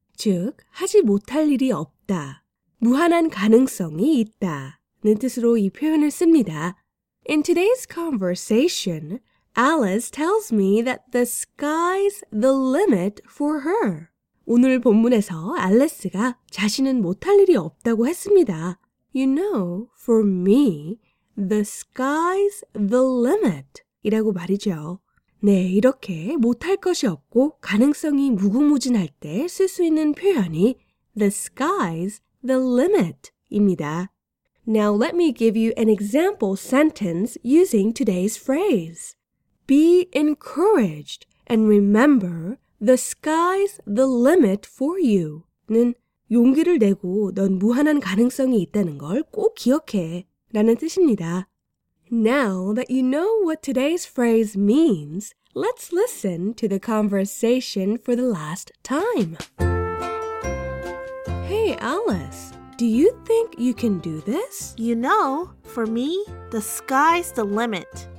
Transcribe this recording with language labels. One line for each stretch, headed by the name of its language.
Korean: 즉, 하지 못할 일이 없다, 무한한 가능성이 있다는 뜻으로 이 표현을 씁니다.
English: In today's conversation, Alice tells me that the sky's the limit for her.
Korean: 오늘 본문에서 알리스가 자신은 못할 일이 없다고 했습니다.
English: You know, for me, the sky's the limit
Korean: 이라고 말이죠. 네, 이렇게 못할 것이 없고 가능성이 무궁무진할 때 쓸 수 있는 표현이
English: the sky's the limit
Korean: 입니다.
English: Now let me give you an example sentence using today's phrase. Be encouraged and remember The sky's the limit for you.
Korean: 는 용기를 내고 넌 무한한 가능성이 있다는 걸 꼭 기억해 라는 뜻입니다.
English: Now that you know what today's phrase means, let's listen to the conversation for the last time. Hey Alice, do you think you can do this? You know, for me, the sky's the limit.